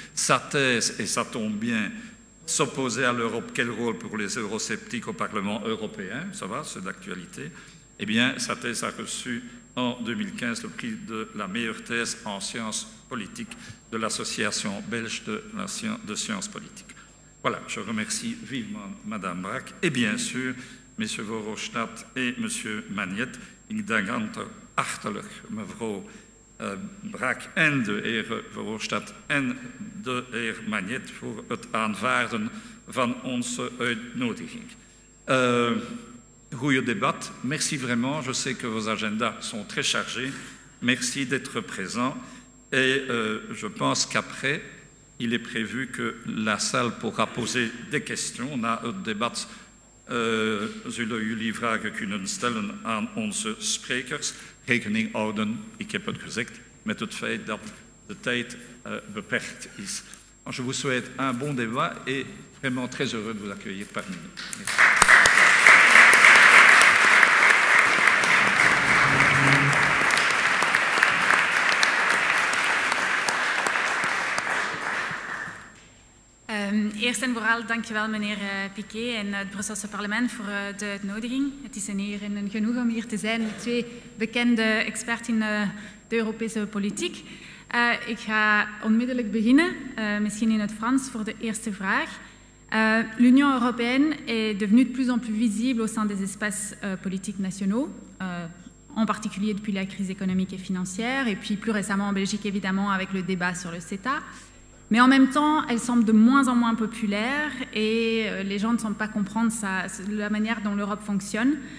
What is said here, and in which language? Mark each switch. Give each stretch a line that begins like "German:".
French: Sa thèse, et ça tombe bien, s'opposer à l'Europe, quel rôle pour les eurosceptiques au Parlement européen, ça va, c'est d'actualité. Eh bien, sa thèse a reçu en 2015 le prix de la meilleure thèse en sciences politiques de l'Association belge de sciences politiques. Voilà, je remercie vivement Madame Brak et bien sûr M. Verhofstadt et M. Magnet.
Dutch: Ik dank hartelijk mevrouw Brak en de heer Verhofstadt en de heer Magnet voor het aanvaarden van onze uitnodiging. Goeie debat.
French: Merci vraiment. Je sais que vos agendas sont très chargés. Merci d'être présent et je pense qu'après, il est prévu que la salle pourra poser des questions. On a un débat
Dutch: zullen jullie vragen kunnen stellen aan onze sprekers. Rekening houden, ik heb het gezegd, met het feit dat de tijd beperkt is.
French: Je vous souhaite un bon débat et vraiment très heureux de vous accueillir parmi nous.
Dutch: Eerst en vooral dankjewel meneer Piquet en het Brusselse parlement voor de uitnodiging. Het is een eer en een genoeg om hier te zijn met twee bekende experts in de Europese politiek. Ik ga onmiddellijk beginnen, misschien in het Frans, voor de eerste vraag.
French: L'Union européenne est devenue de plus en plus visible au sein des espaces politiques nationaux, en particulier depuis la crise économique et financière, et puis plus récemment en Belgique, évidemment, avec le débat sur le CETA. Mais en même temps, elle semble de moins en moins populaire et les gens ne semblent pas comprendre la manière dont l'Europe fonctionne.